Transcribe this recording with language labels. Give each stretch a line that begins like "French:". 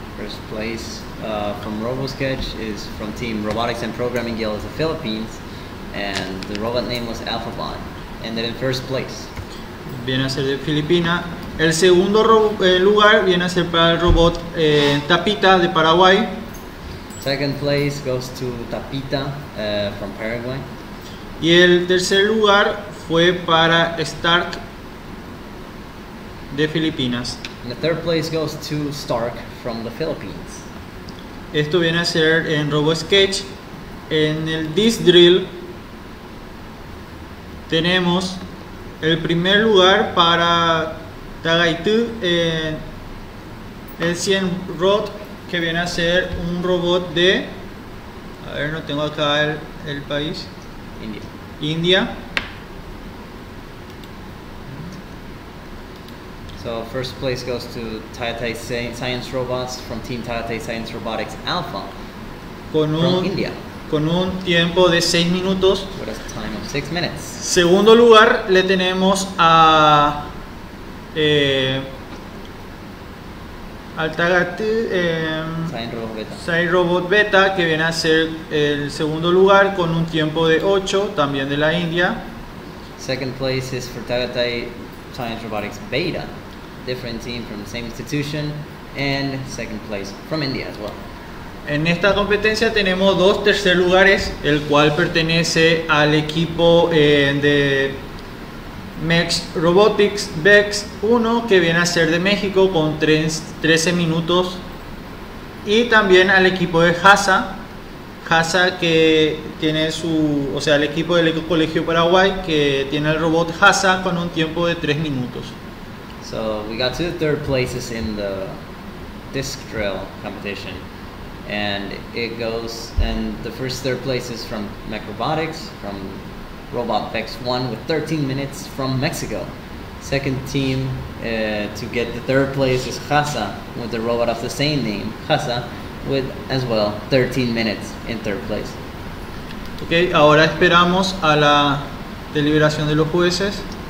English: First place from RoboSketch is from Team Robotics and Programming Guild of the Philippines, and the robot name was AlphaBot, and then in first place.
Spanish: Viene a ser de Filipina. El segundo lugar viene a ser para el robot Tapita de Paraguay.
English: Second place goes to Tapita from Paraguay.
Spanish: Y el tercer lugar fue para Stark de Filipinas.
English: And the third place goes to Stark from the Philippines.
Spanish: Esto viene a ser en RoboSketch. En el Disc Drill tenemos el primer lugar para Tagaytu en el 100 Rod, que viene a ser un robot de, a ver, no tengo acá el país. India. India.
English: So first place goes to Taiyatai Science Robots from Team Taiyatai Science Robotics Alpha from India.
Spanish: Con un tiempo de 6 minutos.
English: With a time of 6 minutes.
Spanish: Segundo lugar le tenemos a Altagati, Science Robot Beta, que viene a ser el segundo lugar con un tiempo de 8, también de la India.
English: Second place is for Taiyatai Science Robotics Beta. Different team from the same institution, and second place from India as well.
Spanish: En esta competencia tenemos dos tercer lugares, el cual pertenece al equipo de Mex Robotics Bex 1, que viene a ser de México con 13 minutos, y también al equipo de HASA, que tiene su, o sea, el equipo del Colegio Paraguay, que tiene el robot HASA con un tiempo de 3 minutos.
English: So we got two third places in the disc drill competition, and it goes, and the first third place is from Mech Robotics, from Robot Bex 1 with 13 minutes from Mexico. Second team to get the third place is HASA with the robot of the same name, HASA, with as well 13 minutes in third place.
Spanish: Okay, ahora esperamos a la deliberación de los jueces.